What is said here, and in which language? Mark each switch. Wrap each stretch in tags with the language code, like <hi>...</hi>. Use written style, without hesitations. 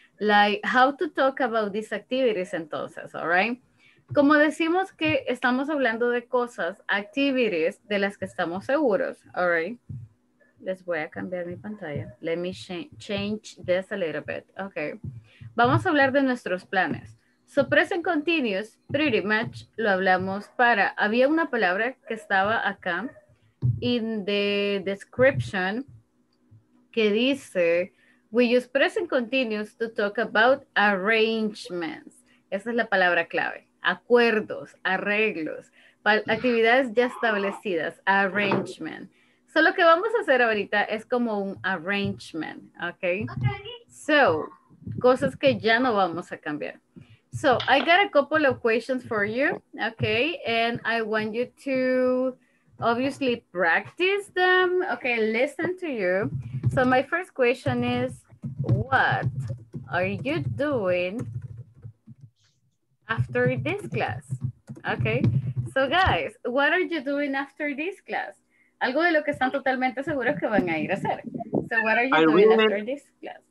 <en>Like, how to talk about these activities entonces, all right?</en> <es>Como decimos que estamos hablando de cosas, activities, de las que estamos seguros,</es> <en>all right?</en> <es>Les voy a cambiar mi pantalla.</es> <en>Let me change this a little bit. Okay.</en> <es>Vamos a hablar de nuestros planes.</es> <en>So present continuous, pretty much,</en> <es>lo hablamos para. Había una palabra que estaba acá</es> <en>in the description</en> <es>que dice,</es> <en>we use present continuous to talk about arrangements.</en> <es>Esa es la palabra clave. Acuerdos, arreglos, actividades ya establecidas, arrangement. So, lo que vamos a hacer ahorita es como un arrangement, okay? So, cosas que ya no vamos a cambiar.</es> <en>So, I got a couple of questions for you, okay? And I want you to obviously practice them, okay? Listen to you. So, my first question is, what are you doing after this class? Okay? So, guys, what are you doing after this class?</en> <es>Algo de lo que están totalmente seguros que van a ir a hacer.</es> <en>So, what are you doing after this class?</en>